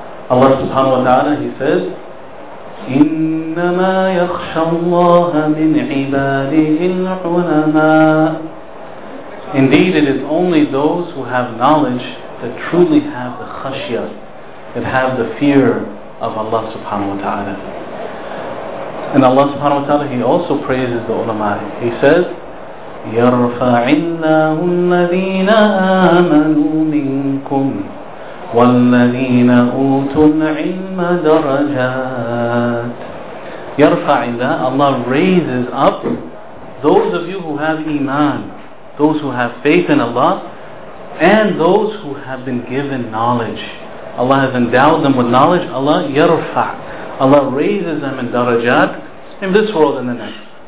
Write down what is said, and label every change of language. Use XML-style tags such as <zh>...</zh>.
<en>Allah subhanahu wa ta'ala, He says,</en> <ar>إِنَّمَا يَخْشَى اللَّهَ مِنْ عِبَادِهِ الْعُلَمَاءِ.</ar> <en>Indeed, it is only those who have knowledge that truly have the khashya, that have the fear of Allah subhanahu wa ta'ala. And Allah subhanahu wa ta'ala, He also praises the ulama. He says,</en> <ar>يرفع الله الذين آمنوا منكم والذين أوتوا العلم درجات. يرفع الله,</ar> <en>Allah raises up those of you who have iman, those who have faith in Allah, and those who have been given knowledge. Allah has endowed them with knowledge. Allah yarfa, Allah raises them in darajat, in this world and the next.</en>